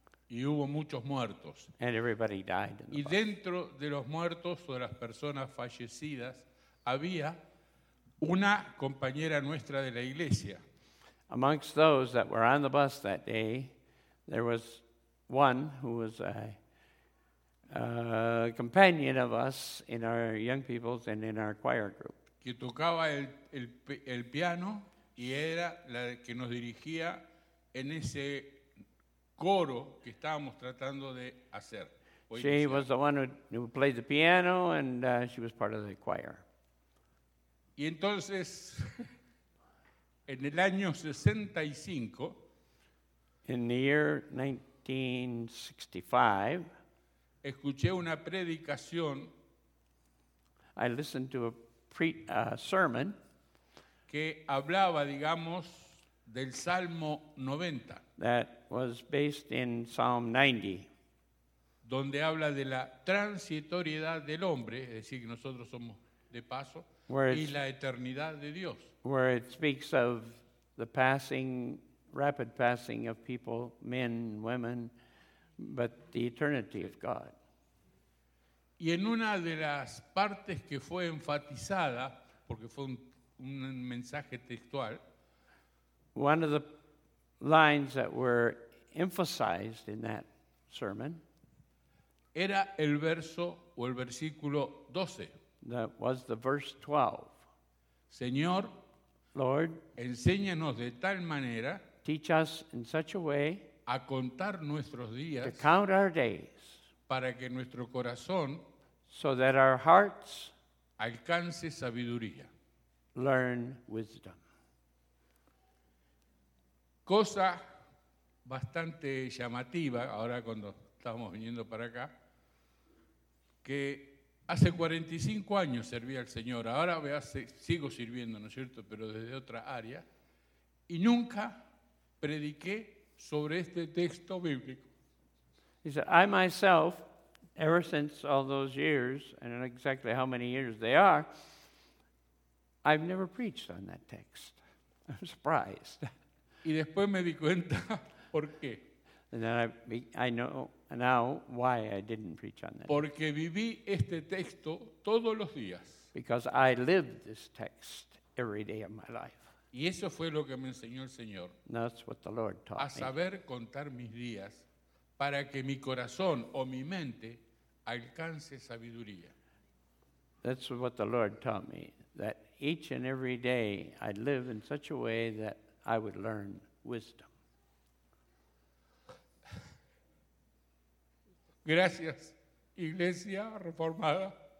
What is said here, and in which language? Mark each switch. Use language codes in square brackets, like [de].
[es] Y hubo muchos muertos. [en] And everybody died in the [es] bus. Y dentro de los muertos o de las personas fallecidas había una compañera nuestra de la iglesia. [en] Amongst those that were on the bus that day, there was one who was a companion of us in our young people's and in our choir group. [es] Que tocaba el piano y era la que nos dirigía en ese coro que estábamos tratando de hacer. [en] She was the one who played the piano and she was part of the choir. [es] Y entonces, en el año 65, [en] in the year 1965, [es] escuché una predicación. [en] I listened to a sermon [es] que hablaba, digamos, del Salmo 90. [en] That was based in Psalm 90. [es] Donde habla de la transitoriedad del hombre, es decir, que nosotros somos de paso. Y la eternidad de Dios. [en] Where it speaks of the passing, rapid passing of people, men, women, but the eternity of God. [es] Y en una de las partes que fue enfatizada, porque fue un mensaje textual. [en] One of the lines that were emphasized in that sermon. [es] Era el verso o el versículo 12. [en] That was the verse 12. [es] Señor, [en] Lord, [es] enséñanos de tal manera, [en] teach us in such a way, [es] a contar nuestros días, [en] to count our days, [es] para que nuestro corazón, [en] so that our hearts, [es] alcance sabiduría. [en] Learn wisdom. [es] Cosa bastante llamativa, ahora cuando estábamos viniendo para acá, que hace 45 años serví al Señor, ahora sigo sirviendo, ¿no es cierto?, pero desde otra área, y nunca prediqué sobre este texto bíblico. [en] He said, I myself, ever since all those years, and I don't know exactly how many years they are, I've never preached on that text. I'm surprised. [es] Y después me di cuenta por qué. [en] And then I know now why I didn't preach on that. [es] Porque viví este texto todos los días. [en] Because I lived this text every day of my life. [es] Y eso fue lo que me enseñó el Señor. [en] And that's what the Lord taught me. [es] A saber contar mis días para que mi corazón o mi mente alcance sabiduría. [en] That's what the Lord taught me, that each and every day I live in such a way that I would learn wisdom. [es] Gracias, Iglesia Reformada.